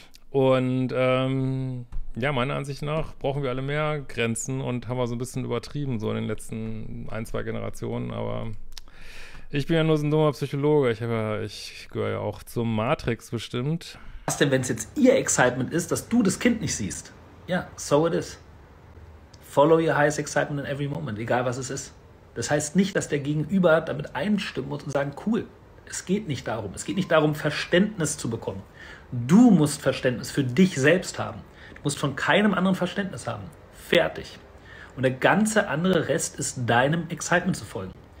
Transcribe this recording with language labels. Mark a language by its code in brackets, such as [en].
[de] Und ja, meiner Ansicht nach brauchen wir alle mehr Grenzen und haben wir so ein bisschen übertrieben, so in den letzten ein, zwei Generationen, aber ich bin ja nur so ein dummer Psychologe. Ich gehöre ja auch zur Matrix bestimmt. Was denn, wenn es jetzt ihr Excitement ist, dass du das Kind nicht siehst? [en] Ja, so it is. Follow your highest excitement in every moment, [de] egal was es ist. Das heißt nicht, dass der Gegenüber damit einstimmen muss und sagen, cool, es geht nicht darum. Es geht nicht darum, Verständnis zu bekommen. Du musst Verständnis für dich selbst haben. Du musst von keinem anderen Verständnis haben. Fertig. Und der ganze andere Rest ist deinem Excitement zu folgen.